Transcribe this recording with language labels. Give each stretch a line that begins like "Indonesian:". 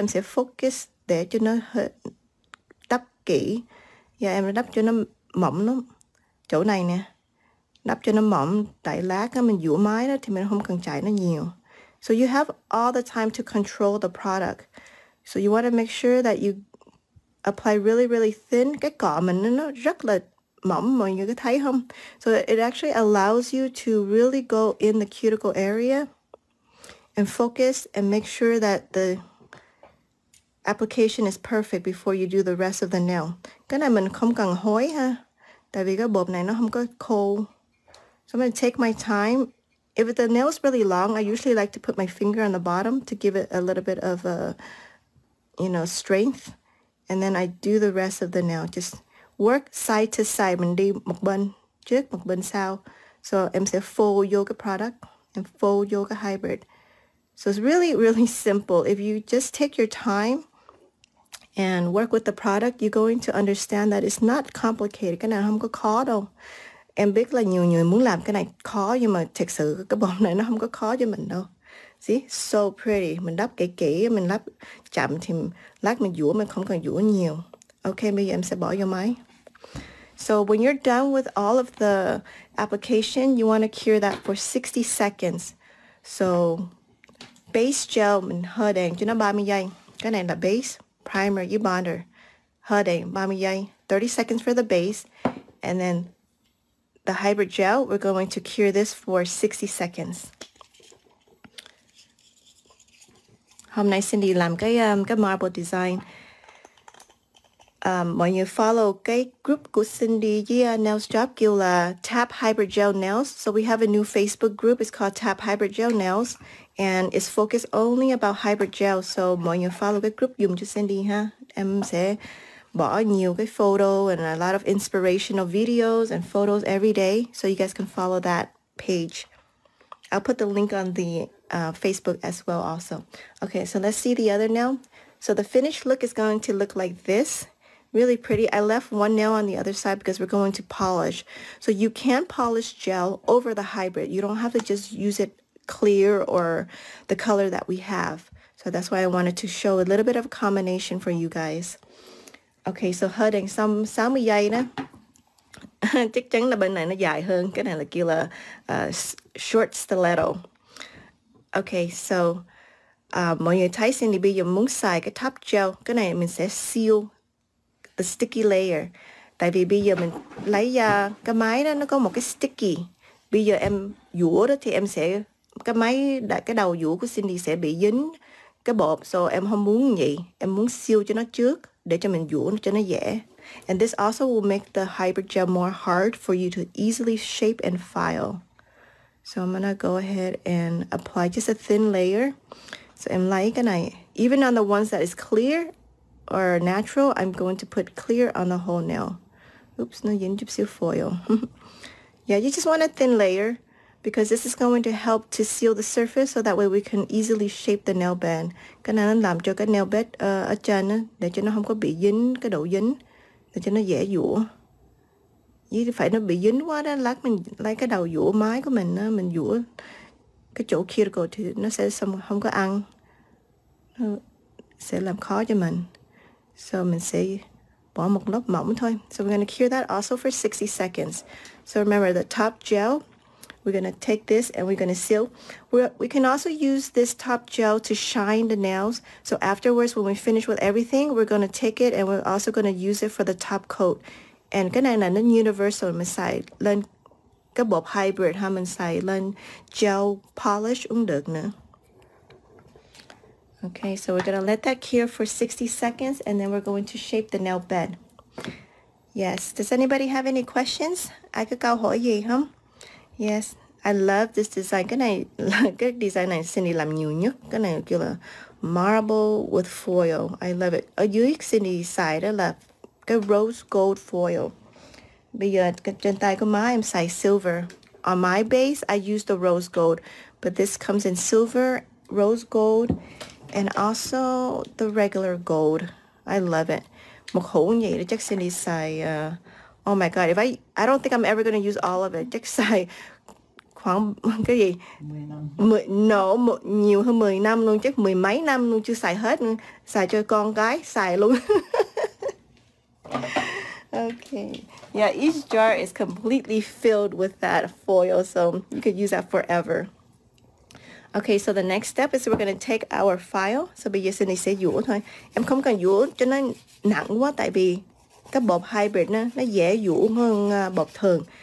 Vietnamese: Em sẽ focus để cho nó đắp kỹ. Dạ, em đắp cho nó mỏng lắm. Chỗ này nè. Đắp cho nó mỏng, tại lát á, mình dũa máy đó thì mình không cần chạy nó nhiều.
English: So you have all the time to control the product. So you want to make sure that you apply really, really thin.
Vietnamese: Cái cỏ mình nó rất là mỏng, mọi người có thấy không?
English: So it actually allows you to really go in the cuticle area and focus and make sure that the application is perfect before you do the rest of the nail.
Vietnamese: Cái này mình không cần hối ha. Tại vì cái bột này nó không có khô.
English: So I'm going to take my time. If the nail is really long, I usually like to put my finger on the bottom to give it a little bit of a, you know, strength. And then I do the rest of the nail. Just work side to side.
Vietnamese: Mình đi một bên trước, một bên sau.
English: So em sẽ fold yoga product and fold yoga hybrid. So it's really, really simple. If you just take your time and work with the product, you're going to understand that it's not complicated.
Vietnamese: Cái này không có khó đâu. Em biết là nhiều người muốn làm cái này khó, nhưng mà thật sự cái bông này nó không có khó cho mình đâu.
English: See, so pretty.
Vietnamese: Mình đắp kỹ, mình lắp chậm thì lát mình dũa, mình không cần dũa nhiều. Okay, bây giờ em sẽ bỏ vô máy.
English: So when you're done with all of the application, you want to cure that for 60 seconds.
Vietnamese: So base gel, mình hơi đèn cho nó 30 giây. Cái này là base, primer, you bonder. Hơi đèn 30 giây,
English: 30 seconds for the base. And then the hybrid gel, we're going to cure this for 60 seconds.
Vietnamese: Hôm nay Cindy làm cái marble design. Mọi người follow cái group của Cindy với nail shop kêu là T.A.P Hydrogel Nails.
English: So we have a new Facebook group. It's called T.A.P Hydrogel Nails. And it's focused only about hydrogel. So
Vietnamese: mọi người follow cái group dùng cho Cindy ha. Em sẽ bỏ nhiều cái photo
English: and a lot of inspirational videos and photos every day. So you guys can follow that page. I'll put the link on the Facebook as well also. Okay, so let's see the other nail. So the finished look is going to look like this. Really pretty. I left one nail on the other side because we're going to polish. So you can polish gel over the hybrid. You don't have to just use it clear or the color that we have. So that's why I wanted to show a little bit of a combination for you guys. Okay, so hơi some dài nè.
Vietnamese: Chắc chắn là bên này nó dài hơn. Cái này là kêu là short stiletto. Okay, so mọi người thấy Cindy bây giờ muốn xài cái top gel. Cái này mình sẽ
English: seal the sticky layer.
Vietnamese: Tại vì bây giờ mình lấy cái máy đó nó có một cái sticky. Bây giờ em dũa đó thì em sẽ cái máy đã cái đầu dũa của Cindy sẽ bị dính cái bột. So em không muốn vậy. Em muốn seal cho nó trước để cho mình dũa cho nó dễ.
English: And this also will make the hybrid gel more hard for you to easily shape and file. So I'm gonna go ahead and apply just a thin layer. So I'm like, and I, even on the ones that is clear or natural, I'm going to put clear on the whole nail. Oops, no, yin gypsy foil. Yeah, you just want a thin layer because this is going to help to seal the surface so that way we can easily shape the nail bed.
Vietnamese: Cái này nó làm cho cái nail bed ở trên để cho nó không có bị dính cái độ dính, để cho nó dễ dũa. Chứ phải nó bị dính quá đó, lát mình lấy cái đầu dũa mái của mình á, mình dũa cái chỗ cuticle thì nó sẽ không có ăn, nó sẽ làm khó cho mình. So mình sẽ bỏ một lớp mỏng thôi.
English: So we're gonna cure that also for 60 seconds. So remember the top gel, we're gonna take this and we're gonna seal. We can also use this top gel to shine the nails. So afterwards when we finish with everything, we're gonna take it and we're also gonna use it for the top coat.
Vietnamese: And cái này là nó universal, mình xài lên cái bộ hybrid ha, mình xài lên gel polish cũng được nữa.
English: Okay, so we're gonna let that cure for 60 seconds and then we're going to shape the nail bed. Yes, does anybody have any questions?
Vietnamese: Ai có câu hỏi gì không?
English: Yes, I love this design.
Vietnamese: Cái design này Cindy làm nhiều nhất. Cái này kêu là marble with foil.
English: I love it.
Vietnamese: Ở dưới Cindy xài đó là cái rose gold foil. Bây giờ trên tay của má em xài silver.
English: On my base, I use the rose gold. But this comes in silver, rose gold, and also the regular gold. I love it.
Vietnamese: Một hũ nhỉ, chắc Cindy xài...
English: oh my god, if I don't think I'm ever going to use all of it.
Vietnamese: Chắc xài khoảng... cái gì? 10 năm. No, nhiều hơn 10 năm luôn. Chắc mười mấy năm luôn chưa xài hết. Xài cho con gái, xài luôn.
English: Okay, yeah, each jar is completely filled with that foil, so you could use that forever. Okay, so the next step is we're going to take our file.
Vietnamese: So bây giờ Cindy sẽ dũa thôi. Em không cần dũa cho nó nặng quá, tại vì cái bột hybrid nó dễ dũa hơn bột thường.